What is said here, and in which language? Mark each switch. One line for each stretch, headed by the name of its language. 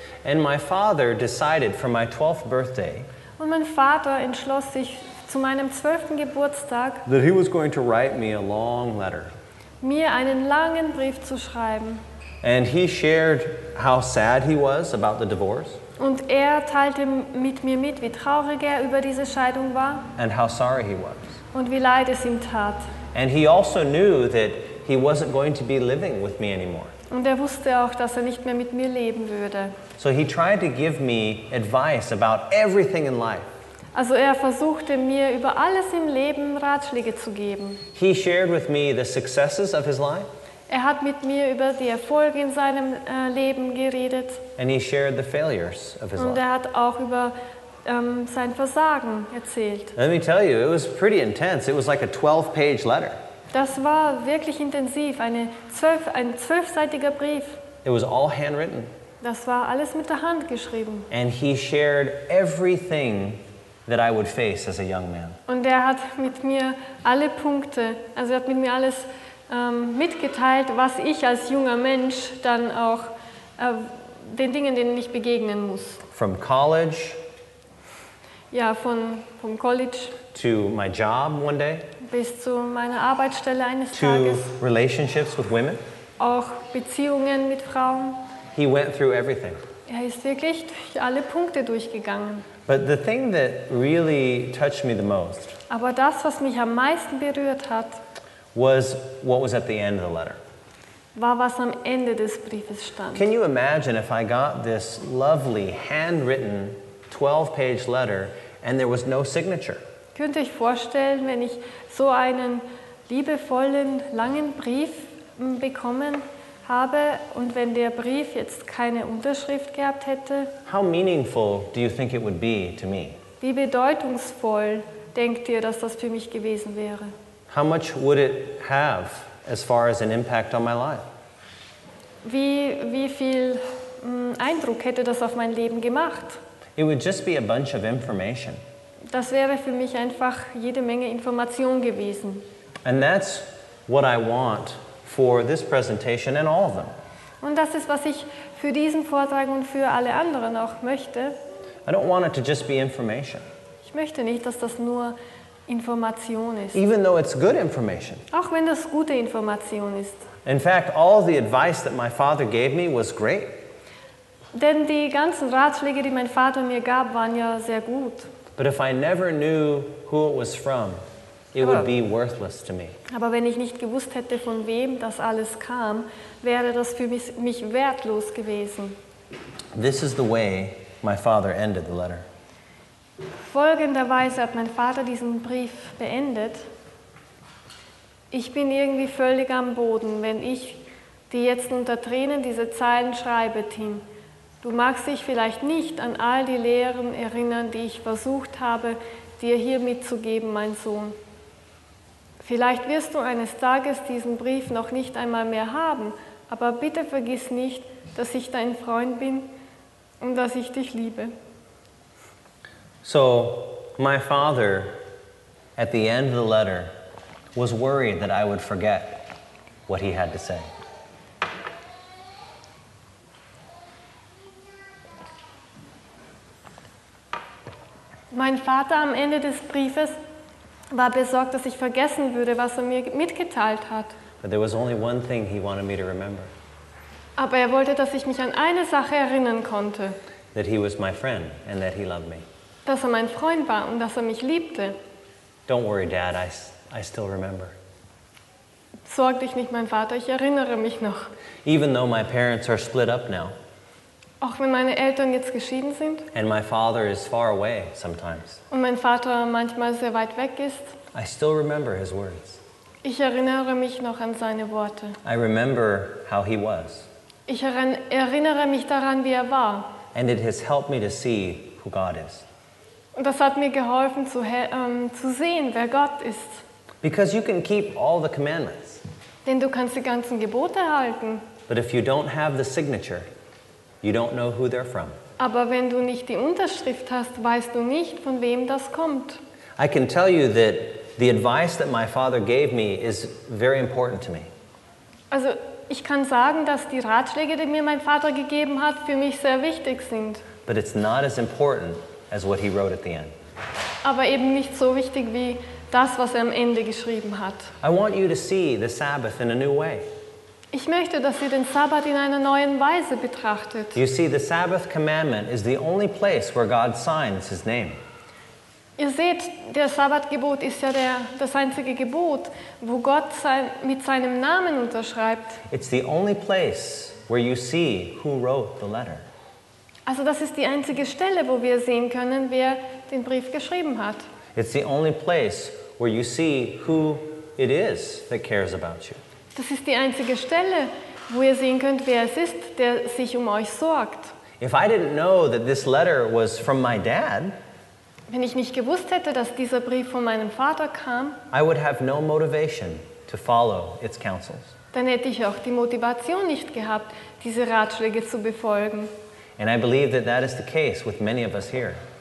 English: And my father decided for my 12th birthday.
German: Und mein Vater entschloss sich zu meinem 12. Geburtstag,
English: that he was going to write me a long letter.
German: Mir einen langen Brief zu schreiben.
English: And he shared how sad he was about the divorce.
German: Und er teilte mit mir mit, wie traurig er über diese Scheidung war.
English: And how sorry he was.
German: Und wie leid es ihm tat.
English: And he also knew that he wasn't going to be living with me anymore.
German: Und er wusste auch, dass er nicht mehr mit mir leben würde.
English: So he tried to give me advice about everything in life.
German: Also er versuchte mir über alles im Leben Ratschläge zu geben.
English: He shared with me the successes of his life.
German: Er hat mit mir über die Erfolge in seinem Leben geredet.
English: And he shared the failures of his
German: Und
English: life.
German: Er hat auch über sein Versagen erzählt.
English: Let me tell you, it was pretty intense. It was like a 12-page letter.
German: Das war wirklich intensiv, ein zwölfseitiger Brief.
English: It was all handwritten.
German: Das war alles mit der Hand geschrieben.
English: And he shared everything that I would face as a young man.
German: Und er hat mit mir alle Punkte, also er hat mit mir alles mitgeteilt, was ich als junger Mensch dann auch den Dingen, denen ich begegnen muss.
English: From college.
German: Ja, vom College.
English: To my job one day.
German: Bis zu meiner Arbeitsstelle eines
English: to
German: Tages.
English: To relationships with women.
German: Auch Beziehungen mit Frauen.
English: He went through everything.
German: Er ist wirklich durch alle Punkte durchgegangen.
English: But the thing that really touched me the most,
German: aber das, was mich am meisten berührt hat,
English: was what was at the end of the letter.
German: War, was am Ende des Briefes stand.
English: Can you imagine if I got this lovely handwritten 12-page letter and there was no signature?
German: Könnt ihr euch vorstellen, wenn ich so einen liebevollen, langen Brief bekommen habe und wenn der Brief jetzt keine Unterschrift gehabt hätte?
English: How meaningful do you think it would be to me?
German: Wie bedeutungsvoll denkt ihr, dass das für mich gewesen wäre?
English: How much would it have as far as an impact on my life?
German: Wie viel Eindruck hätte das auf mein Leben gemacht?
English: It would just be a bunch of information.
German: Das wäre für mich einfach jede Menge Information gewesen.
English: And that's what I want for this presentation and all of them.
German: Und das ist, was ich für diesen Vortrag und für alle anderen auch möchte.
English: I don't want it to just be information.
German: Ich möchte nicht, dass das nur Information ist.
English: Even though it's good information.
German: Auch wenn das gute Information ist.
English: In fact, all the advice that my father gave me was great.
German: Denn die ganzen Ratschläge, die mein Vater mir gab, waren ja sehr gut.
English: But if I never knew who it was from, it would be worthless to me.
German: Aber wenn ich nicht gewusst hätte, von wem das alles kam, wäre das für mich wertlos gewesen.
English: This is the way my father ended the letter.
German: Folgenderweise hat mein Vater diesen Brief beendet. Ich bin irgendwie völlig am Boden, wenn ich dir jetzt unter Tränen diese Zeilen schreibe, Tim. Du magst dich vielleicht nicht an all die Lehren erinnern, die ich versucht habe, dir hier mitzugeben, mein Sohn. Vielleicht wirst du eines Tages diesen Brief noch nicht einmal mehr haben, aber bitte vergiss nicht, dass ich dein Freund bin und dass ich dich liebe.
English: So, my father, at the end of the letter, was worried that I would forget what he had to say.
German: Mein Vater am Ende des Briefes war besorgt, dass ich vergessen würde, was mir mitgeteilt hat.
English: But there was only one thing he wanted me to remember.
German: Aber er wollte, dass ich mich an eine Sache erinnern konnte.
English: That he was my friend and that he loved me.
German: Dass er mein Freund war und dass er mich liebte.
English: Don't worry, Dad, I still remember.
German: Sorg dich nicht, mein Vater, ich erinnere mich noch.
English: Even though my parents are split up now.
German: Auch wenn meine Eltern jetzt geschieden sind.
English: And my father is far away sometimes.
German: Und mein Vater manchmal sehr weit weg ist.
English: I still remember his words.
German: Ich erinnere mich noch an seine Worte.
English: I remember how he was.
German: Ich erinnere mich daran, wie er war.
English: And it has helped me to see who God is.
German: Und das hat mir geholfen zu sehen, wer Gott ist.
English: Because you can keep all the commandments.
German: Denn du kannst die ganzen Gebote halten.
English: But if you don't have the signature, you don't know who they're from.
German: Aber wenn du nicht die Unterschrift hast, weißt du nicht, von wem das kommt.
English: I can tell you that the advice that my father gave me is very important to me.
German: Also, ich kann sagen, dass die Ratschläge, die mir mein Vater gegeben hat, für mich sehr wichtig sind.
English: But it's not as important as what he wrote at the end.
German: Aber eben nicht so wichtig wie das, was er am Ende geschrieben hat.
English: I want you to see the Sabbath in a new way.
German: Ich möchte, dass ihr den Sabbat in einer neuen Weise betrachtet.
English: You see, the Sabbath commandment is the only place where God signs his name.
German: Ihr seht, der Sabbatgebot ist ja das einzige Gebot, wo Gott mit seinem Namen unterschreibt.
English: It's the only place where you see who wrote the letter.
German: Also das ist die einzige Stelle, wo wir sehen können, wer den Brief geschrieben hat.
English: It's the only place where you see who it is that cares about you.
German: Das ist die einzige Stelle, wo ihr sehen könnt, wer es ist, der sich um euch sorgt.
English: If I didn't know that this letter was from my dad,
German: wenn ich nicht gewusst hätte, dass dieser Brief von meinem Vater kam,
English: I would have no motivation to follow its counsels.
German: Dann hätte ich auch die Motivation nicht gehabt, diese Ratschläge zu befolgen.
English: And I believe that that is the case with many of us here.